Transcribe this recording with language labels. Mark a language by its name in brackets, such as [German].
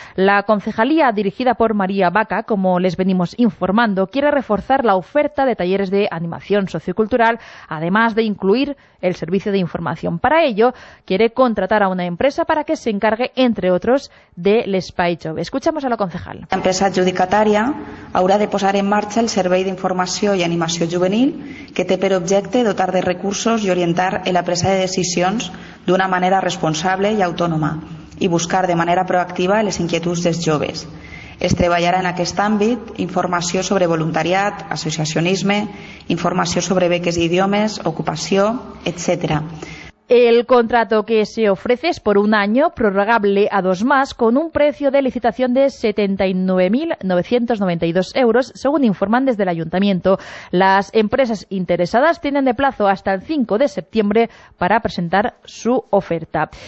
[Spanish] La concejalía, dirigida por María Baca, como les venimos informando, quiere reforzar la oferta de talleres de animación sociocultural, además de incluir el servicio de información. Para ello, quiere contratar a una empresa para que se encargue, entre otros, de l'Espai Jove. Escuchamos a la concejal. [Catalan] La empresa adjudicatària haurà de posar en marxa el servei d'informació i animació juvenil, que té per objecte dotar de recursos i orientar en la presa de decisions d'una manera responsable i autònoma, i buscar de manera proactiva les inquietuds dels joves. Es treballarà en aquest àmbit informació sobre voluntariat, associacionisme, informació sobre beques i idiomes, ocupació, etc. [Spanish] El contrato que se ofrece es por un año, prorrogable a dos más, con un precio de licitación de 79.992 euros, según informan desde el Ayuntamiento. Las empresas interesadas tienen de plazo hasta el 5 de septiembre para presentar su oferta.